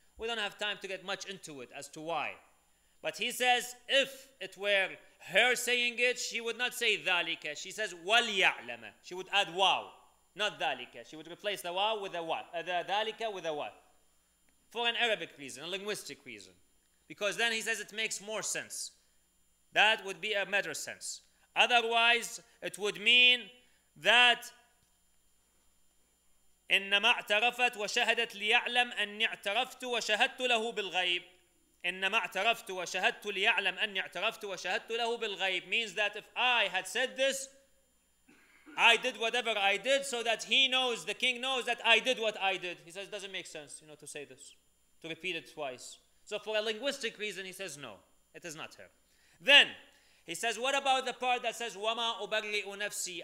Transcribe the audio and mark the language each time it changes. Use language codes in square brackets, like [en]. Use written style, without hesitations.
[en] We don't have time to get much into it as to why. But he says, if it were her saying it, she would not say ذَلِكَ. She says وَلْيَعْلَمَ. She would add wow. Not ذَلِكَ. She would replace the wow with a what? The ذَلِكَ with a what? For an Arabic reason, a linguistic reason. Because then he says it makes more sense. That would be a better sense. Otherwise, it would mean that [ar] إِنَّمَا اعْتَرَفَتْ وَشَهَدَتْ لِيَعْلَمْ أَنِّي اعْتَرَفْتُ وَشَهَدْتُ لَهُ بِالْغَيْبِ. إِنَّمَا اعْتَرَفْتُ وَشَهَدْتُ لِيَعْلَمْ أَنِّي اعْتَرَفْتُ وَشَهَدْتُ لَهُ بِالْغَيْبِ. [en] Means that if I had said this, I did whatever I did so that he knows, the king knows that I did what I did. He says, it doesn't make sense, you know, to say this, to repeat it twice. So for a linguistic reason, he says, no, it is not her. Then he says, what about the part that says, [ar] وَمَا أُبَرِّئُ نَفْسِي.